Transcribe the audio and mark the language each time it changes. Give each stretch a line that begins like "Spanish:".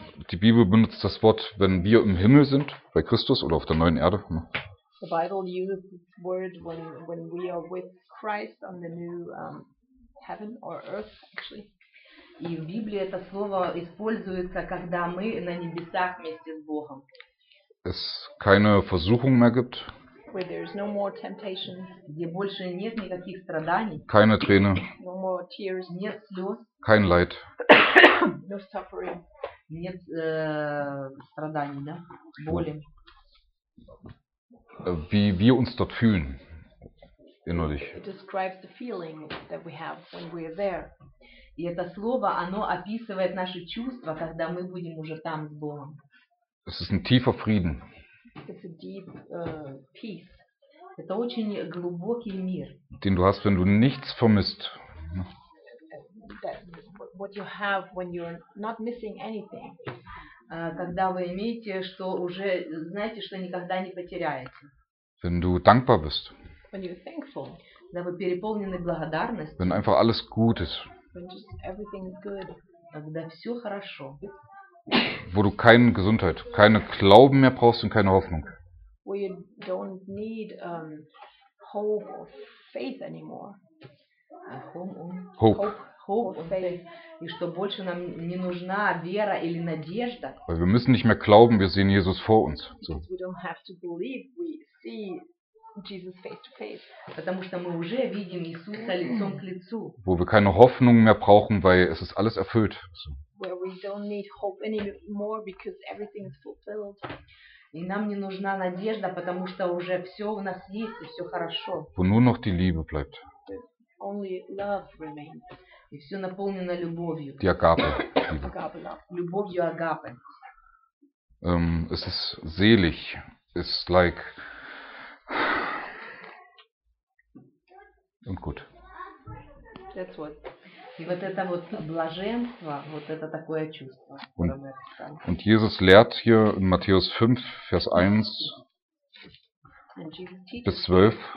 German: Die Bibel benutzt das Wort, wenn wir im Himmel sind, bei Christus oder auf der neuen Erde.
English: The Bible uses this word when we are with Christ on the new heaven or earth, actually.
Russian: И в Библии это слово используется, когда мы на небесах вместе с Богом.
German: Es keine Versuchung mehr gibt.
English: Where there is no more temptation.
Russian: Где больше нет никаких страданий.
German: Keine Träne.
English: No more tears.
Russian: Нет слез.
German: Kein Leid.
English: No suffering.
Russian: Нет страданий, да? Боли.
German: Wie wir uns dort fühlen, innerlich.
English: It describes the feeling that we have when we are there.
Russian: И это слово, оно описывает наши чувства, когда мы будем уже там с Богом.
German: Es ist ein tiefer Frieden.
English: It's a deep peace.
Russian: Это очень глубокий мир.
German: Den du hast, wenn du nichts vermisst.
English: That, what you have when you're not missing anything.
Russian: Когда вы имеете, что уже знаете, что никогда не потеряете.
German: Wenn du dankbar bist.
English: When you're thankful.
Russian: Когда вы переполнены благодарностью.
German: Wenn einfach alles gut ist.
English: When just everything is good.
Russian: Когда все хорошо.
German: Wo du keine Gesundheit, keine Glauben mehr brauchst und keine Hoffnung.
English: Where you don't need hope or faith anymore. Hope.
Russian: И что больше нам не нужна вера или надежда.
German: Weil wir müssen nicht mehr glauben, wir sehen Jesus vor uns.
English: So. We don't have to believe, we see Jesus face to face.
Russian: Потому что мы уже видим Иисуса лицом к лицу.
German: Wo wir keine Hoffnung mehr brauchen, weil es ist alles erfüllt. So.
English: Where we don't need hope anymore because everything is fulfilled.
Russian: И нам не нужна надежда, потому что уже все у нас есть и все хорошо.
German: Wo nur noch die Liebe bleibt.
English: Only love remains.
Russian: И все наполнено любовью.
German: Die Agape.
English: Agape love.
Russian: Любовью Агапы.
German: Es ist selig.
English: It's like
German: und gut.
English: That's what.
Russian: И вот это вот блаженство, вот это такое чувство, которое мы описали.
German: Und Jesus lehrt hier in Matthäus 5, Vers 1 bis 12.